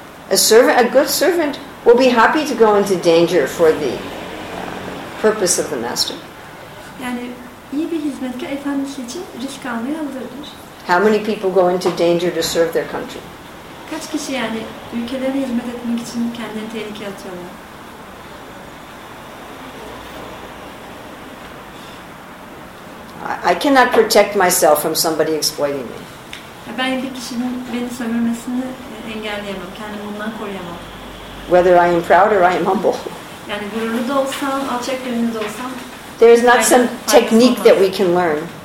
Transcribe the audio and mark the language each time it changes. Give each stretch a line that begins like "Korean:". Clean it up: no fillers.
English: A good servant will be happy to go into danger for the purpose of the master.
Turkish: Yani iyi bir hizmetkar efendisi için risk almaya hazırdır.
English: How many people go into danger to serve their country?
Turkish: Kaç kişi yani ülkelerine hizmet etmek için kendini tehlikeye atıyorlar?
English: I cannot protect myself from somebody exploiting me.
Turkish: Ben bir kişinin beni sömürmesini engelleyemem, kendimi bundan koruyamam.
English: Whether I am proud or I am humble.
Turkish: Yani gururlu da olsam, alçak gönüllü de olsam.
English: There is not some technique that we can learn.